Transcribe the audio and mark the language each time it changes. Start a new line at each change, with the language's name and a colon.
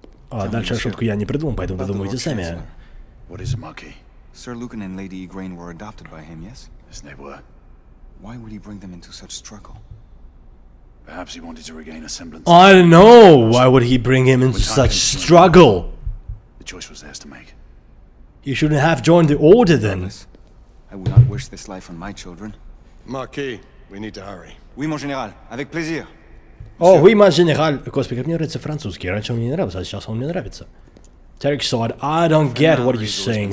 Russian: А дальше шутку я не придумал, поэтому додумайте сами.
English: What is a marquee? Sir Lucan and Lady Egraine were adopted by him, yes? Yes, they were. Why would he bring them into such struggle? Perhaps he wanted to regain a semblance. I don't know. Why would he bring him into such struggle? The choice was theirs to make. You shouldn't have joined the order then. I would not wish this life on my children. Marquis, we need to hurry.
French: Oui, mon général, avec plaisir. Oh, oui, mon général.
Russian: Господи, как мне нравится французский. Раньше он мне не нравился, а сейчас он мне нравится.
English: Tarik Saad, I don't get what you're saying.